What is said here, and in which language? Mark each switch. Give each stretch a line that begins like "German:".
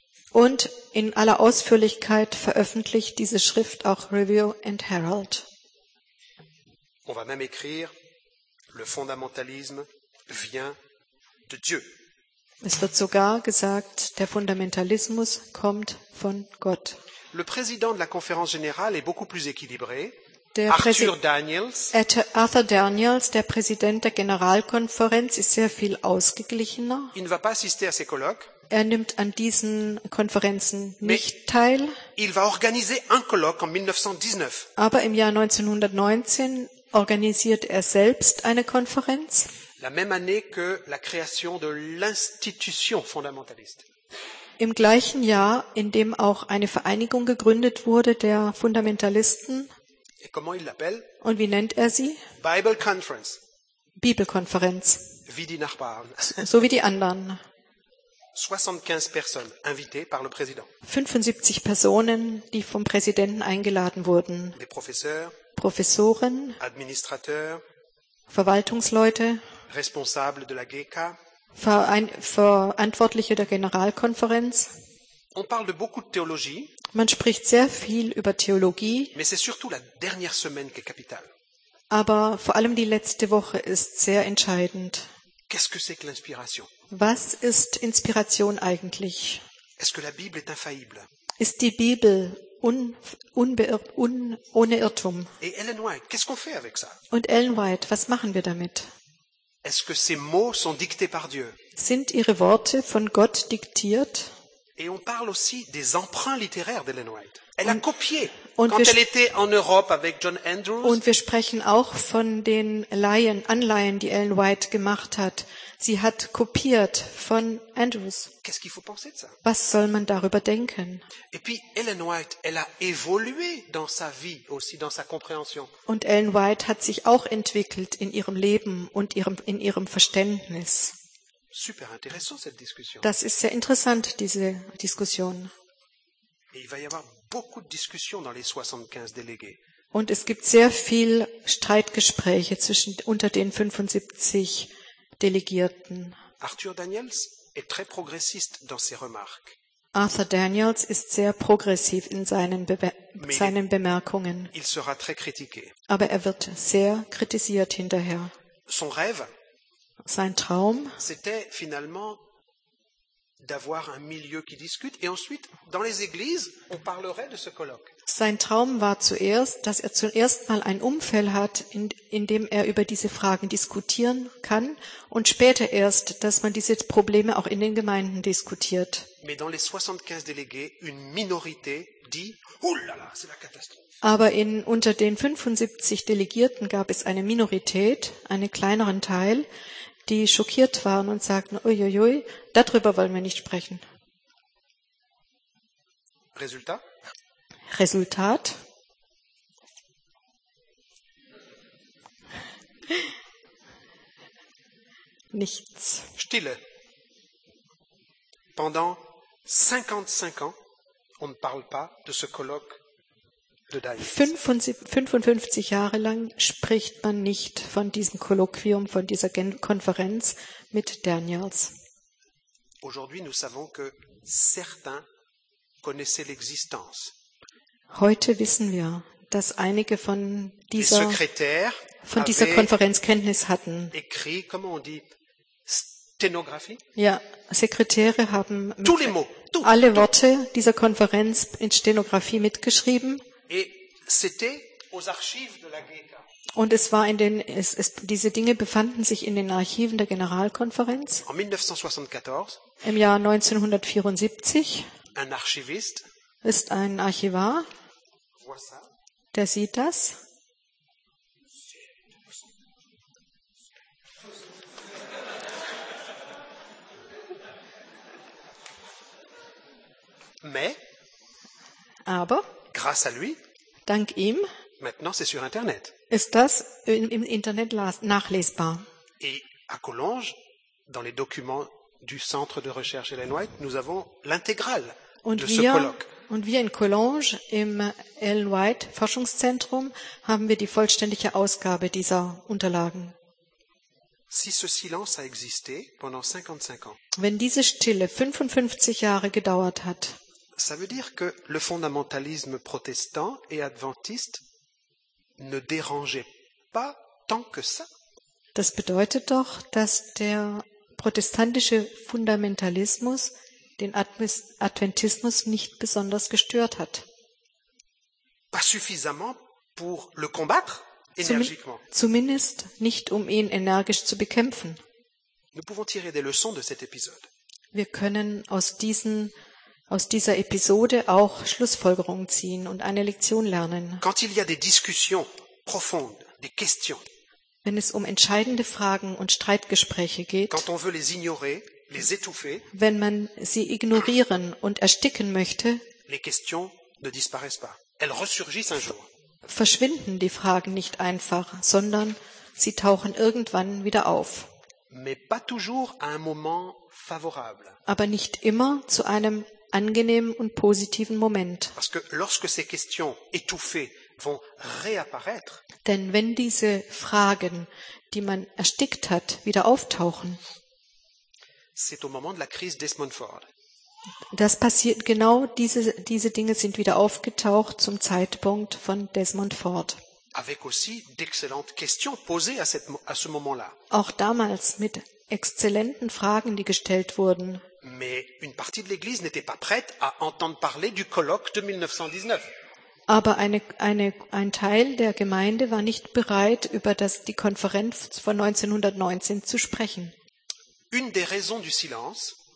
German: Und in aller Ausführlichkeit veröffentlicht diese Schrift auch Review and Herald.
French: On va même écrire, le fondamentalisme vient de Dieu.
German: Es wird sogar gesagt, der Fundamentalismus kommt von Gott.
French: Le président de la conférence générale est beaucoup plus équilibré.
German: Arthur Daniels, der Präsident der Generalkonferenz, ist sehr viel ausgeglichener.
French: Il ne va pas assister à ces colloques.
German: Er nimmt an diesen Konferenzen nicht teil.
French: Il va organiser un colloque en 1919.
German: Aber im Jahr 1919 organisiert er selbst eine Konferenz.
French: La même année que la création de l'institution fondamentaliste.
German: Im gleichen Jahr, in dem auch eine Vereinigung gegründet wurde der Fundamentalisten.
French: Et comment il l'appelle?
German: Und wie nennt er sie?
English: Bible Conference.
German: Bibelkonferenz. Wie die Nachbarn. So wie die anderen.
French: 75 personnes invitées par le président.
German: 75 Personen, die vom Präsidenten eingeladen wurden.
French: Des professeurs.
German: Professoren.
French: Administrateurs.
German: Verwaltungsleute.
French: Responsable de la GK.
German: Verantwortliche der Generalkonferenz.
French: On parle de beaucoup de théologie.
German: Man spricht sehr viel über Theologie.
French: Mais c'est surtout la dernière semaine qui est capitale.
German: Aber vor allem die letzte Woche ist sehr entscheidend.
French: Qu'est-ce que c'est que l'inspiration?
German: Was ist Inspiration eigentlich?
French: Est-ce que la Bible est infaillible?
German: Ist die Bibel ohne Irrtum?
French: Et Ellen White, qu'est-ce qu'on fait avec ça?
German: Und Ellen White, was machen wir damit?
French: Est-ce que ces mots sont dictés par Dieu?
German: Sind ihre Worte von Gott diktiert?
French: Et on parle aussi des emprunts littéraires d'Ellen White. Elle a copié quand elle était en Europe avec John Andrews.
German: Und wir sprechen auch von den Anleihen, die Ellen White gemacht hat. Sie hat kopiert von Andrews.
French: Qu'est-ce qu'il faut penser de ça?
German: Was soll man darüber denken?
French: Et puis Ellen White, elle a évolué dans sa vie aussi, dans sa compréhension.
German: Und Ellen White hat sich auch entwickelt in ihrem Leben und in ihrem Verständnis.
French: Super intéressant cette discussion.
German: Das ist sehr interessant, diese Diskussion.
French: Et il va y avoir beaucoup de discussions dans les 75 délégués.
German: Und es gibt sehr viel Streitgespräche unter den 75 Delegierten.
French: Arthur Daniels est très progressiste dans ses remarques.
German: Arthur Daniels ist sehr progressiv in seinen Bemerkungen.
French: Il sera très critiqué.
German: Aber er wird sehr kritisiert hinterher.
French: Son rêve.
German: Sein Traum,
French: c'était finalement d'avoir un milieu qui discute et ensuite dans les églises on parlerait de ce colloque.
German: Sein Traum war zuerst, dass er zuerst mal ein Umfeld hat, in dem er über diese Fragen diskutieren kann und später erst, dass man diese Probleme auch in den Gemeinden diskutiert.
French: Mais dans les 75 délégués, une minorité dit oulala, c'est la catastrophe.
German: Aber unter den 75 Delegierten gab es eine Minorität, einen kleineren Teil, die schockiert waren und sagten, uiuiui, darüber wollen wir nicht sprechen. Resultat? Nichts. Stille.
French: Pendant 55 ans, on ne parle pas de ce colloque
German: 55 Jahre lang spricht man nicht von diesem Kolloquium, von dieser Konferenz mit Daniels.
French: Aujourd'hui, nous savons que certains connaissaient l'existence.
German: Heute wissen wir, dass einige von dieser Konferenz Kenntnis hatten.
French: Écrit, comment on dit, sténographie?
German: Ja, Sekretäre haben
French: tous les mots,
German: alle Worte dieser Konferenz in Stenografie mitgeschrieben.
French: Et c'était aux archives de la GK.
German: Und es war diese Dinge befanden sich in den Archiven der Generalkonferenz.
French: En 1974,
German: im Jahr 1974,
French: un archiviste
German: ist ein Archivar,
French: voit ça.
German: Der sieht das.
French: Mais,
German: aber,
French: grâce à lui,
German: dank ihm,
French: maintenant c'est sur Internet.
German: Ist das im Internet nachlesbar?
French: Et à Collonges, dans les documents du Centre de Recherche Ellen White, nous avons l'intégrale de ce colloque.
German: Und wir in Collonges im Ellen White Forschungszentrum haben wir die vollständige Ausgabe dieser Unterlagen.
French: Si ce silence a existé pendant 55 ans,
German: wenn diese Stille 55 Jahre gedauert hat,
French: ça veut dire que le fondamentalisme protestant et adventiste ne dérangeait pas tant que ça.
German: Das bedeutet doch, dass der protestantische Fundamentalismus den Adventismus nicht besonders gestört hat.
French: Pas suffisamment pour le combattre énergiquement.
German: Zumindest nicht, um ihn energisch zu bekämpfen.
French: Nous pouvons tirer des leçons de cet épisode.
German: Wir können aus dieser Episode auch Schlussfolgerungen ziehen und eine Lektion lernen.
French: Quand il y a des discussions profondes, des questions,
German: wenn es um entscheidende Fragen und Streitgespräche geht,
French: quand on veut les ignorer, les étouffer,
German: wenn man sie ignorieren und ersticken möchte,
French: les questions ne disparaissent pas. Elles ressurgissent un jour.
German: Verschwinden die Fragen nicht einfach, sondern sie tauchen irgendwann wieder auf.
French: Mais pas toujours à un moment favorable.
German: Aber nicht immer zu einem angenehmen und positiven Moment.
French: Parce que lorsque ces questions étouffées vont réapparaître,
German: denn wenn diese Fragen, die man erstickt hat, wieder auftauchen,
French: c'est au moment de la crise Desmond Ford.
German: Das passiert genau, diese Dinge sind wieder aufgetaucht zum Zeitpunkt von Desmond Ford.
French: Avec aussi d'excellentes questions posées à ce moment-là.
German: Auch damals mit exzellenten Fragen, die gestellt wurden.
French: Mais une partie de l'Église n'était pas prête à entendre parler du colloque de 1919.
German: Aber ein Teil der Gemeinde war nicht bereit, über die Konferenz von 1919 zu sprechen.
French: Une des raisons du silence,